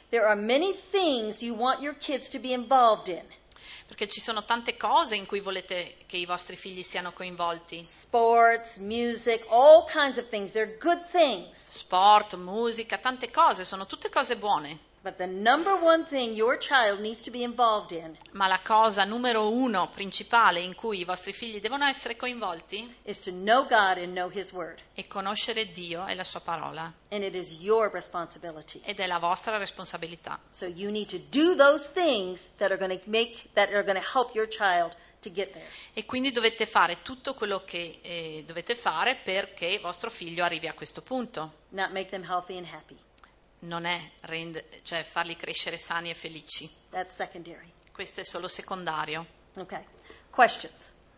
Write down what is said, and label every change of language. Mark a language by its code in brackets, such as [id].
[en] There are many things you want your kids to be involved in. [it] Perché ci sono tante cose in cui volete che i vostri figli siano coinvolti. [en] Sports, music, all kinds of things. They're good things. [it] Sport, musica, tante cose, sono tutte cose buone. [en] But the number one thing your child needs to be involved in. [it] Ma la cosa numero uno principale in cui i vostri figli devono essere coinvolti. [en] Is to know God and know His Word. [it] E conoscere Dio e la Sua parola. [en] And it is your responsibility. [it] Ed è la vostra responsabilità. [en] So you need to do those things that are going to make that are going to help your child to get there. [it] E quindi dovete fare tutto quello che dovete fare perché vostro figlio arrivi a questo punto. [en] Not make them healthy and happy. [it] Non è cioè farli crescere sani e felici. [en] That's secondary. [it] Questo è solo secondario. [en] Okay. Questions.